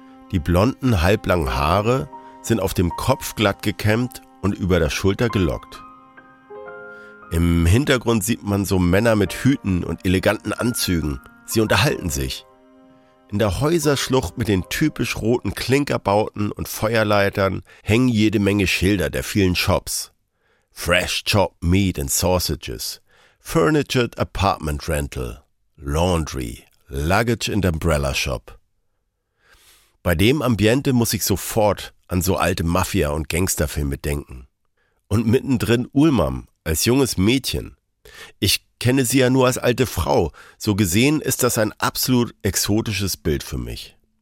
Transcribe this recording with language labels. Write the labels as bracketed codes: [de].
[de] Die blonden, halblangen Haare sind auf dem Kopf glatt gekämmt und über der Schulter gelockt. Im Hintergrund sieht man so Männer mit Hüten und eleganten Anzügen. Sie unterhalten sich. In der Häuserschlucht mit den typisch roten Klinkerbauten und Feuerleitern hängen jede Menge Schilder der vielen Shops. [en] Fresh chopped meat and sausages, furnished apartment rental, laundry, luggage and umbrella shop. [de] Bei dem Ambiente muss ich sofort an so alte Mafia- und Gangsterfilme denken. Und mittendrin Ulmam als junges Mädchen. Ich kenne sie ja nur als alte Frau. So gesehen ist das ein absolut exotisches Bild für mich.